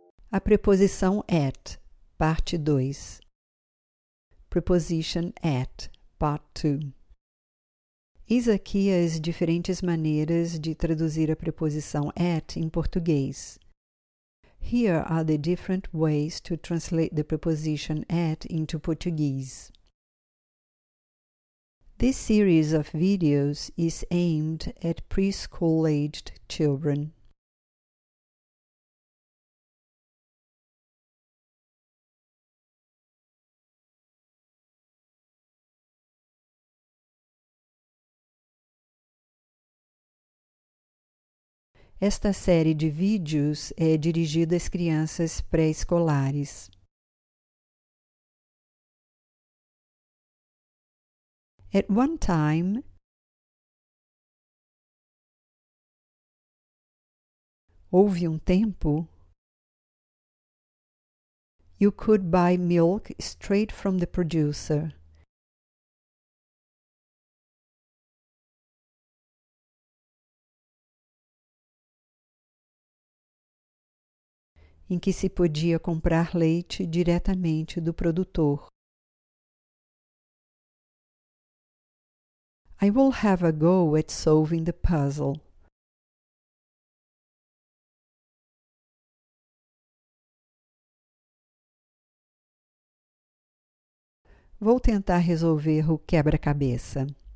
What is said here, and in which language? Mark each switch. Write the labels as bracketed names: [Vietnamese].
[Portuguese] A preposição at, parte 2. [English] Preposition at, part 2. [Portuguese] Eis aqui as diferentes maneiras de traduzir a preposição at em português. [English] Here are the different ways to translate the preposition at into Portuguese. This series of videos is aimed at preschool-aged children. [Portuguese] Esta série de vídeos é dirigida às crianças pré-escolares. [English] At one time, [Portuguese] houve um tempo, [English] you could buy milk straight from the producer. [Portuguese] Em que se podia comprar leite diretamente do produtor. [English] I will have a go at solving the puzzle. [Portuguese] Vou tentar resolver o quebra-cabeça.